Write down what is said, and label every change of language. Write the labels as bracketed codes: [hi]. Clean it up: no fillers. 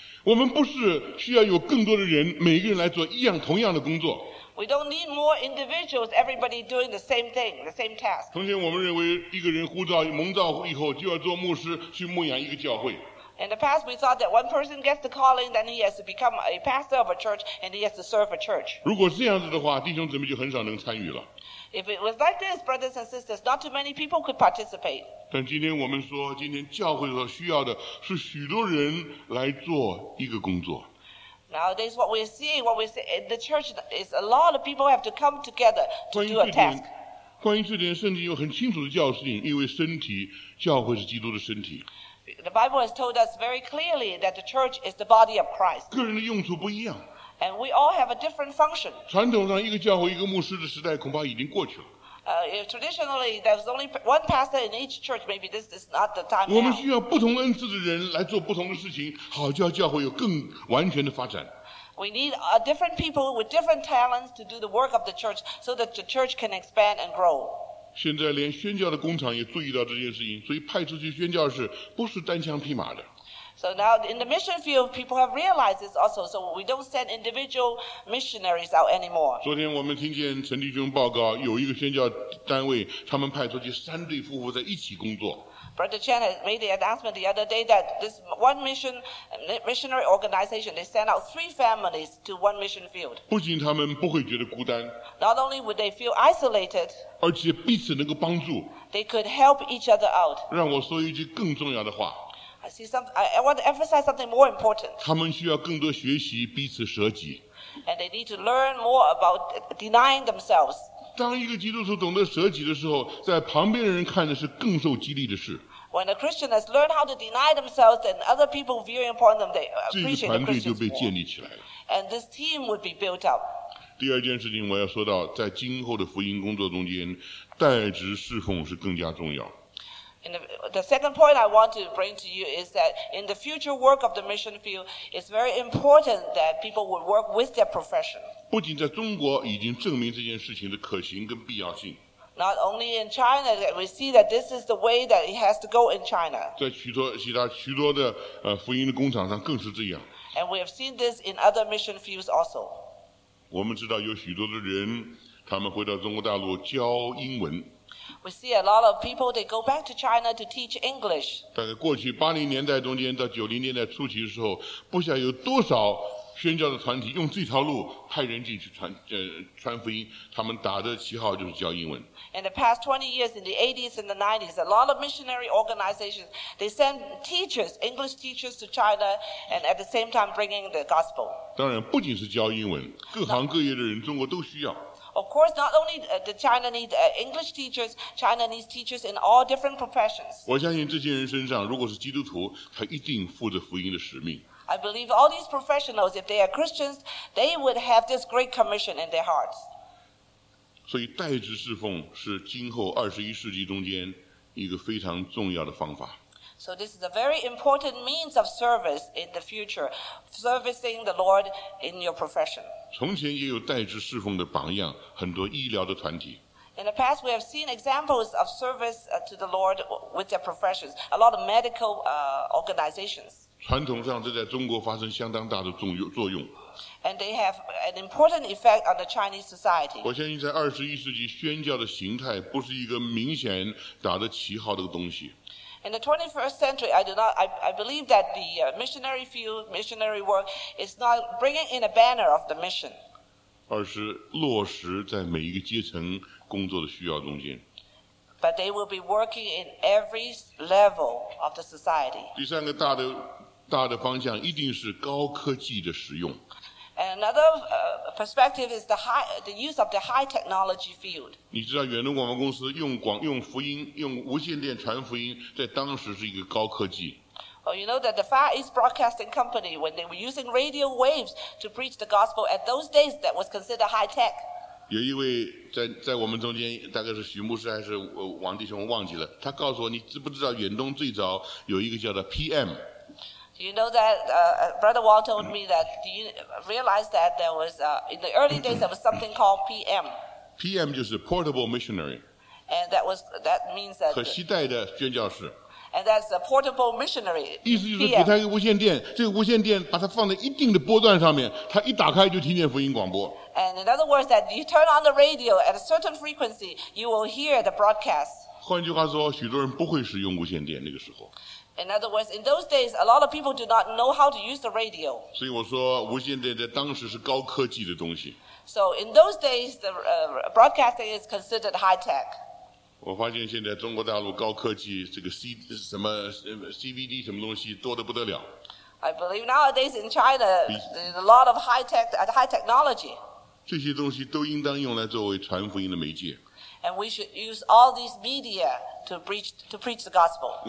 [zh] 我们不是需要有更多的人，每个人来做一样同样的工作。 [en] We don't need more individuals, everybody doing the same thing, the same task. [zh] 从前我们认为一个人呼召蒙召以后就要做牧师，去牧养一个教会。 [en] In the past, we thought that one person gets the calling, then he has to become a pastor of a church, and he has to serve a church. [zh] 如果这样子的话，弟兄姊妹就很少能参与了。 [en] If it was like this, brothers and sisters, not too many people could participate. [zh] 但今天我们说，今天教会所需要的是许多人来做一个工作。 [en] Nowadays, what we're seeing in the church is a lot of people have to come together to do a task. [zh] 关于这点，圣经有很清楚的教训，因为身体，教会是基督的身体。 [en] The Bible has told us very clearly that the church is the body of Christ. [zh] 个人的用处不一样。 [en] And we all have a different function. [zh] 传统上一个教会一个牧师的时代恐怕已经过去了。 [en] Traditionally, there's only one pastor in each church. Maybe this is not the time. [zh] 我们需要不同恩赐的人来做不同的事情，好叫教会有更完全的发展。 [en] We need different people with different talents to do the work of the church so that the church can expand and grow. [zh] 现在连宣教的工厂也注意到这件事情，所以派出去宣教士不是单枪匹马的。 [en] So now in the mission field, people have realized this also. So we don't send individual missionaries out anymore. [zh] 昨天我们听见陈弟兄报告，有一个宣教单位，他们派出去三对夫妇在一起工作。 [en] Brother Chen has made the announcement the other day that this one missionary organization, they send out three families to one mission field. [zh] 不仅他们不会觉得孤单。 [en] Not only would they feel isolated, [zh] 而且彼此能够帮助。 [en] They could help each other out. [zh] 让我说一句更重要的话。 [en] I want to emphasize something more important. [zh] 他们需要更多学习彼此舍己。 [en] And they need to learn more about denying themselves. [zh] 当一个基督徒懂得舍己的时候，在旁边的人看的是更受激励的事。 [en] When a Christian has learned how to deny themselves, then other people viewing upon them, they appreciate the Christians more. [zh] 这个团队就被建立起来了。 [en] And this team would be built up. [zh] 第二件事情我要说到，在今后的福音工作中间，代职侍奉是更加重要。 [en] And the second point I want to bring to you is that in the future work of the mission field, it's very important that people would work with their profession. [zh] 不仅在中国已经证明这件事情的可行跟必要性。 [en] Not only in China, we see that this is the way that it has to go in China. [zh] 在许多其他许多的福音的工厂上更是这样。 [en] And we have seen this in other mission fields also. [zh] 我们知道有许多的人，他们回到中国大陆教英文。 [en] We see a lot of people, they go back to China to teach English. [zh] 大概过去80年代中间到90年代初期的时候，不晓得有多少宣教的团体用这条路派人进去传福音，他们打的旗号就是教英文。 [en] In the past 20 years, in the 80s and the 90s, a lot of missionary organizations, they send teachers, English teachers to China, and at the same time bringing the gospel. [zh] 当然不仅是教英文，各行各业的人中国都需要。 [en] Of course, not only the China needs English teachers, China needs teachers in all different professions. [zh] 我相信这些人身上如果是基督徒，他一定负着福音的使命。 [en] I believe all these professionals, if they are Christians, they would have this great commission in their hearts. [zh] 所以代职侍奉是今后二十一世纪中间一个非常重要的方法。 [en] So this is a very important means of service in the future, servicing the Lord in your profession. [zh] 从前也有代职侍奉的榜样，很多医疗的团体。 [en] In the past, we have seen examples of service to the Lord with their professions, a lot of medical organizations. [zh] 传统上，这在中国发生相当大的作用。 [en] And they have an important effect on the Chinese society. [zh] 我相信在二十一世纪，宣教的形态不是一个明显打着旗号的东西。 [en] In the 21st century, I believe that the missionary field, missionary work, is not bringing in a banner of the mission. [zh] 而是落实在每一个阶层工作的需要中间。 [en] But they will be working in every level of the society. [zh] 第三个大的方向一定是高科技的使用。 [en] And another perspective is the use of the high technology field. [zh] 你知道远东广播公司用福音用无线电传福音，在当时是一个高科技。 [en] Oh, you know that the Far East Broadcasting Company, when they were using radio waves to preach the gospel at those days, that was considered high tech. [zh] 有一位在我们中间，大概是许牧师还是王弟兄，忘记了。他告诉我，你知不知道远东最早有一个叫做 PM。 [en] You know that Brother Wall told me that, do you realize that there was, in the early days, there was something called PM. PM 就是 Portable Missionary. And that means that... [zh] 可携带的宣教士。 [en] And that's a Portable Missionary, PM. [zh] 意思就是给他一个无线电，这个无线电把它放在一定的波段上面，他一打开就听见福音广播。 [en] And in other words, that you turn on the radio at a certain frequency, you will hear the broadcast. [zh] 换句话说，许多人不会使用无线电那个时候。 [en] In other words, in those days, a lot of people do not know how to use the radio. [zh] 所以我说，无线电在当时是高科技的东西。 [en] So in those days, the broadcasting is considered high tech. [zh] 我发现现在中国大陆高科技这个 CVD 什么东西多得不得了。 [en] I believe nowadays in China, there's a lot of high technology. [zh] 这些东西都应当用来作为传福音的媒介。 [en] And we should use all these media to preach the gospel.